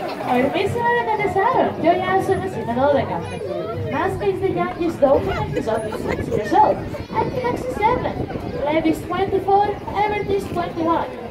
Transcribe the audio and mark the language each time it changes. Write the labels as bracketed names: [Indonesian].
[Greek] Ο Ερμής είναι 14 και ο Ιάσονας είναι 12. [English] Νάσκα is the youngest Dolphin and is only 6 years old. Attica's is 7. Λέβη is 24, Έβερντ is 21.